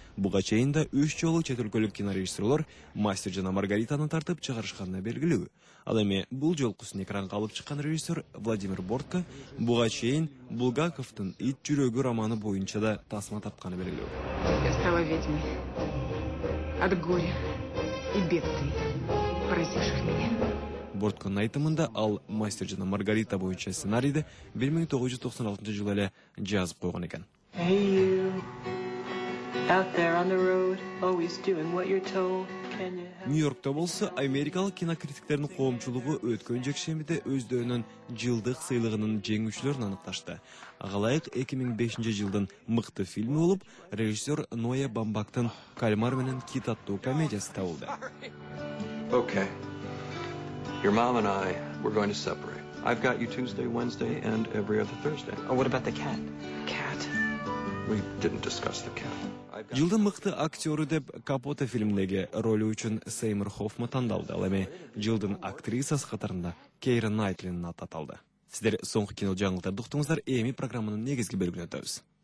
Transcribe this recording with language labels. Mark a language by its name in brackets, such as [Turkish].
[Kyrgyz] Буга чейин да 3 жолу чет өлкөлүк кинорежиссерлор Мастер жана Маргаританы тартып чыгарышканы белгилүү. Ал эми бул жолкусун экранга алып чыккан режиссер Владимир Бортко буга чейин Булгаковдун Ит жүрөгү романы боюнча да тасма тартканы белгилүү. [Russian] От горя и бедствий, поразивших меня. [Kyrgyz] Борткон айтымында ал Мастер жана Маргарита боюнча сценарийди 1996 жылы эле жазып койгон экен. Нью-Йоркто болсо, америкалык кинокритиктердин коомчулугу өткөн жекшембиде өздөрүнүн жылдык сыйлыгынын жеңүүчүлөрүн аныкташты. Ага ылайык 2005 жылдын мыкты фильми болуп, режиссер Ноя Бамбактын «Кальмар менен кит» аттуу комедиясы табылды. [English] Okay. Your mom and I, we're going to separate. I've got you Tuesday, Wednesday and every other Thursday. Oh, what about the cat? Cat. We didn't discuss the cat. [Kyrgyz] Жылдын мыкты актеру деп Капоте фильмдеги ролу үчүн Сеймур Хоффман тандалды. Ал эми жылдын актрисасы катарында Кейра Найтлинин аты аталды. Сиздер соңку кино жаңылыктарды уктуңуздар. Эми программанын негизги бөлүгүнө өтөбүз.